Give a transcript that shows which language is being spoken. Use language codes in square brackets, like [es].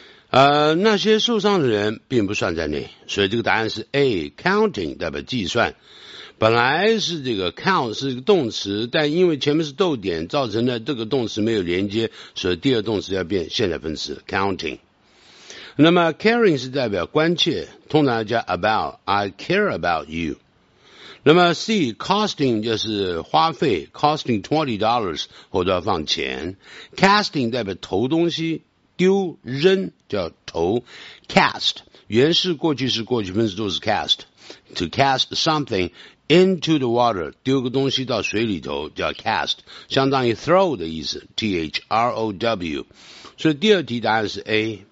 [zh] 那些受伤的人并不算在内，所以这个答案是 A， counting 代表计算，本来是这个 count 是一个动词，但因为前面是逗点造成的这个动词没有连接，所以第二动词要变现在分词 counting。那么 caring 是代表关切，通常叫 about， [en] I care about you。 [zh] 那么 C， costing 就是花费， costing $20 或者要放钱， casting 代表投东西，丢扔叫投， cast 原式过去式过去分词都是 cast， [en] to cast something into the water， [zh] 丢个东西到水里头叫 cast， 相当于 throw 的意思， T-H-R-O-W， 所以第二题答案是 A，